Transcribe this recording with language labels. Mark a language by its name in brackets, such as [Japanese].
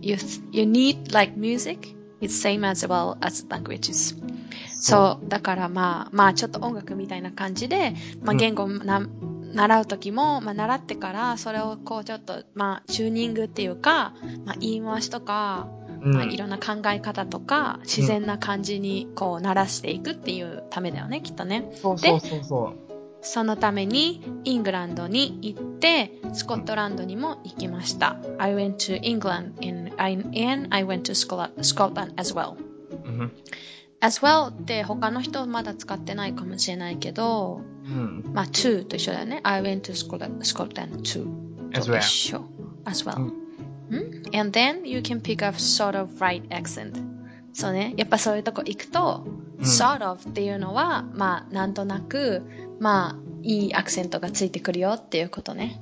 [English] You need like music, it's same as well as languages. [Japanese] そう。だからまあ、まあちょっと音楽みたいな感じで、まあ言語な、うん、習うときも、まあ習ってから、それをこうちょっと、まあチューニングっていうか、まあ言い回しとか、うん、まあいろんな考え方とか、自然な感じにこう鳴らしていくっていうためだよね、きっとね。そうそうそうそう。そのために、イングランドに行って、スコットランドにも行きました。 [English] うん、I went to England and I went to Scotland as well.、 [Japanese] うん、 as well って他の人まだ使ってないかもしれないけど、うん、まあ to と一緒だよね。 [English] I went to Scotland to as well. 一緒 as well、うん、and then you can pick up sort of right accent。 [Japanese] そうね、やっぱそういうとこ行くと、うん、sort of っていうのはまあなんとなくまあいいアクセントがついてくるよっていうことね。